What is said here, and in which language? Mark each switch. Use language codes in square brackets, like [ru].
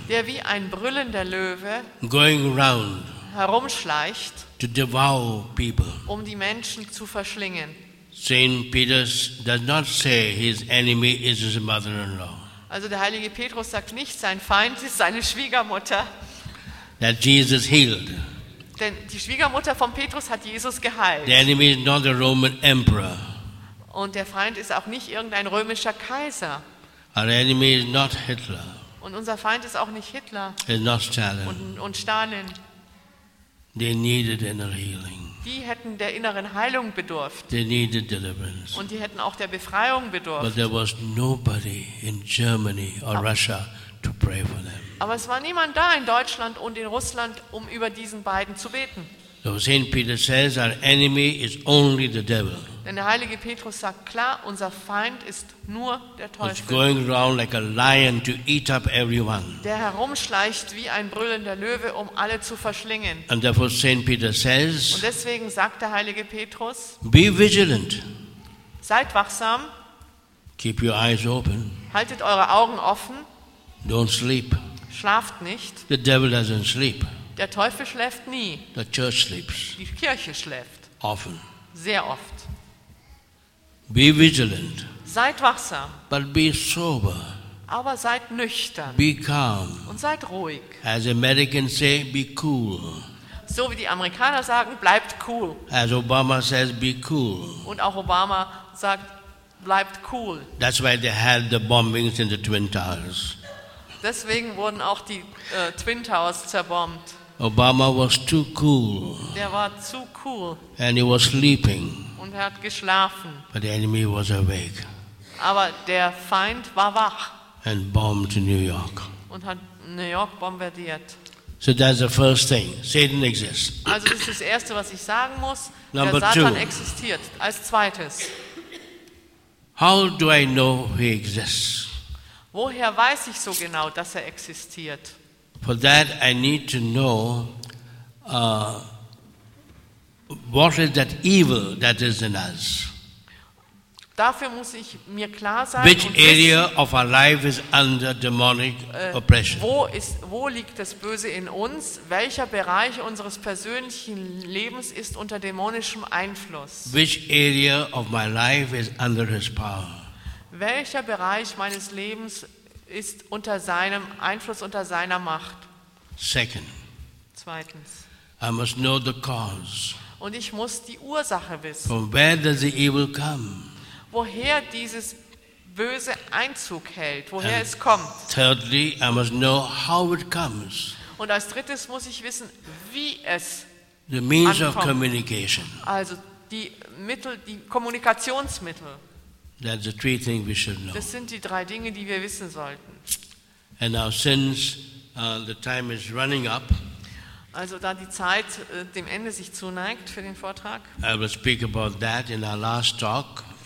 [de] Der wie ein brüllender Löwe. [en] Going round. [de] Herumschleicht, [en] to devour people. [de] Um die Menschen zu verschlingen. [en] Saint Peter does not say his enemy is his mother-in-law. [de] Also der heilige Petrus sagt nicht, sein Feind ist seine Schwiegermutter. [en] that Jesus healed. [de] Denn die Schwiegermutter von Petrus hat Jesus geheilt. [en] The enemy is not a Roman emperor. [de] Und der Feind ist auch nicht irgendein römischer Kaiser. [en] Our enemy is not Hitler. [de] Und unser Feind ist auch nicht Hitler. [en] It's not Stalin. [de] Und Stalin. [en] They needed inner healing. [de] Die hätten der inneren Heilung bedurft. [en] They needed deliverance. [de] Und die hätten auch der Befreiung bedurft. [en] But there was nobody in Germany or Russia to pray for them. [de] Aber es war niemand da in Deutschland und in Russland, um über diesen beiden zu beten. [en] So St. Peter says, our enemy is only the devil. [de] Denn der heilige Petrus sagt klar, unser Feind ist nur der Teufel. [en] He's going around like a lion to eat up everyone. [de] Der herumschleicht wie ein brüllender Löwe, um alle zu verschlingen. [en] And therefore St. Peter says, [de] und deswegen sagt der heilige Petrus, [en] be vigilant. [de] Seid wachsam. [en] Keep your eyes open. [de] Haltet eure Augen offen. [en] Don't sleep. [de] Schlaft nicht. [en] The devil doesn't sleep. [de] Der Teufel schläft nie. [en] The church sleeps. [de] Die Kirche schläft. [en] Often. [de] Sehr oft. [en] Be vigilant. [de] Seid wachsam. [en] But be sober. [de] Aber seid nüchtern. [en] Be calm. [de] Und seid ruhig. [en] As Americans say, be cool. [de] So wie die Amerikaner sagen, bleibt cool. [en] As Obama says, be cool. [de] Und auch Obama sagt, bleibt cool. [en] That's why they had the bombings in the Twin Towers. [de] Deswegen wurden auch die Twin Towers zerbombt. [en] Obama was too cool. [de] Der war zu cool. [en] And he was sleeping. [de] Und er hat geschlafen. [en] But the enemy was awake. [de] Aber der Feind war wach. [en] And bombed New York. [de] Und hat New York bombardiert. [en] So that's the first thing. Satan exists. [de] Also das ist das Erste, was ich sagen muss. Der Satan existiert. Als Zweites. [en] How do I know he exists? [de] Woher weiß ich so genau, dass er existiert? [en] For that I need to know what is that evil that is in us. [de] Dafür muss ich mir klar sein, [en] which area of our life is under demonic oppression. [de] Wo liegt das Böse in uns? Welcher Bereich unseres persönlichen Lebens ist unter dämonischem Einfluss? [en] Which area of my life is under his power? [de] Welcher Bereich meines Lebens ist unter seinem Einfluss, unter seiner Macht? [en] Second. [de] Zweitens. [en] I must know the cause. [de] Und ich muss die Ursache wissen. [en] From where does the evil come? [de] Woher dieses Böse Einzug hält, woher es kommt. [en] Thirdly, I must know how it comes. [de] Und als Drittes muss ich wissen, wie es [en] the means [de] ankommt. [en] Of communication. [de] Also die Mittel, die Kommunikationsmittel. [en] That's the three things we should know. [de] Das sind die drei Dinge, die wir wissen sollten. [en] And now, since the time is running up, [de] also da die Zeit dem Ende sich zuneigt für den Vortrag, [en] I will speak about that in our last talk.